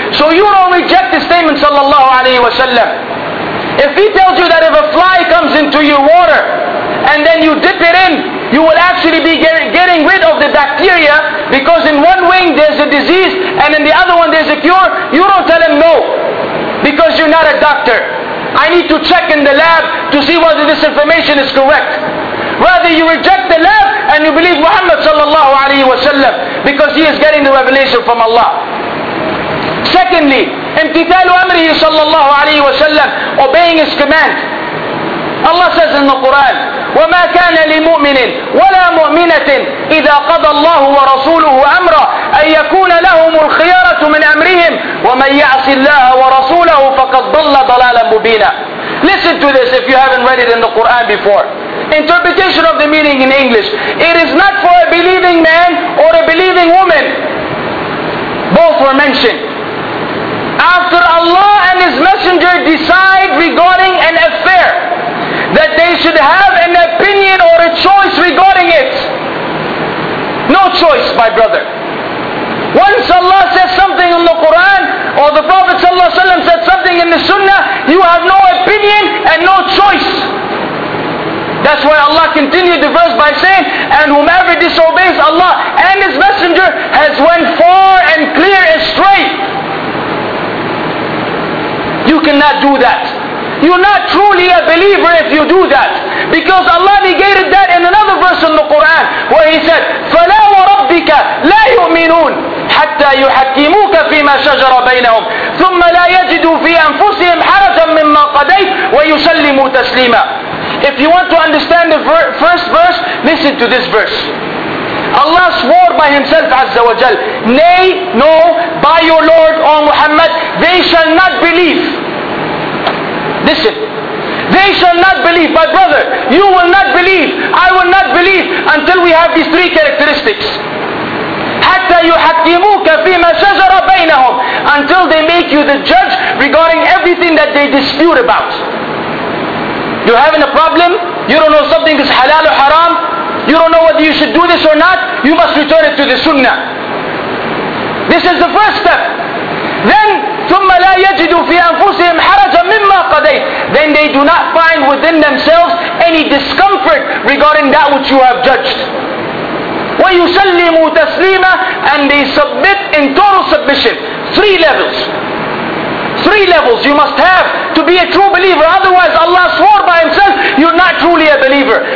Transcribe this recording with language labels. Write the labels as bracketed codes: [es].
[en] So you don't reject the statement sallallahu alayhi wa sallam. If he tells you that if a fly comes into your water and then you dip it in, you will actually be getting rid of the bacteria because in one wing there's a disease and in the other one there's a cure, you don't tell him no, because you're not a doctor. I need to check in the lab to see whether this information is correct. Rather, you reject the lab and you believe Muhammad sallallahu alayhi wa sallam, because he is getting the revelation from Allah. Secondly, [ar] امتثال أمره صلى الله عليه وسلم, [en] obeying his command. Allah says in the Quran, [ar] وَمَا كَانَ لِمُؤْمِنٍ وَلَا مُؤْمِنَةٍ إِذَا قَضَى اللَّهُ وَرَسُولُهُ أَمْرًا أَنْ يَكُونَ لَهُمُ الْخِيَارَةُ مِنْ أَمْرِهِمْ وَمَنْ يَعْصِ اللَّهَ وَرَسُولَهُ فَقَدْ ضَلَّ ضَلَالًا مُبِينًا. [en] Listen to this if you haven't read it in the Quran before. Interpretation of the meaning in English. It is not for a believing man or a believing woman. Both were mentioned. After Allah and His Messenger decide regarding an affair, that they should have an opinion or a choice regarding it. No choice, my brother. Once Allah says something in the Quran, or the Prophet ﷺ said something in the Sunnah, you have no opinion and no choice. That's why Allah continued the verse by saying, and whomever disobeys Allah and His Messenger has went far and clear astray. You cannot do that. You're not truly a believer if you do that. Because Allah negated that in another verse in the Quran where He said, [ar] فَلَا وَرَبِّكَ لَا يُؤْمِنُونَ حَتَّى يُحَكِّمُوكَ فِي مَا شَجَرَ بَيْنَهُمْ ثُمَّ لَا يَجِدُوا فِي أَنفُسِهِمْ حَرَجًا مِمَّا قَدَيْتْ وَيُسَلِّمُوا تَسْلِيمًا. [en] If you want to understand the first verse, listen to this verse. Allah swore by Himself Azza wa Jal, nay, no, by your Lord, O Muhammad, they shall not believe. Listen, they shall not believe, my brother, you will not believe, I will not believe until we have these three characteristics. [ar] حَتَّى يُحَكِّمُوكَ فِي مَا شَجَرَ بَيْنَهُمْ, [en] until they make you the judge regarding everything that they dispute about. You're having a problem, you don't know something is halal or haram, you don't know whether you should do this or not, you must return it to the Sunnah. This is the first step. Then, [ar] ثُمَّ لَا يَجِدُوا فِي أَنفُسِهِمْ حَرَجًا مِمَّا قَدَيْتْ. [en] Then they do not find within themselves any discomfort regarding that which you have judged. [ar] وَيُسَلِّمُوا تَسْلِيمًا, [en] and they submit in total submission. Three levels. Three levels you must have to be a true believer. Otherwise Allah swore by Himself, you're not truly a believer.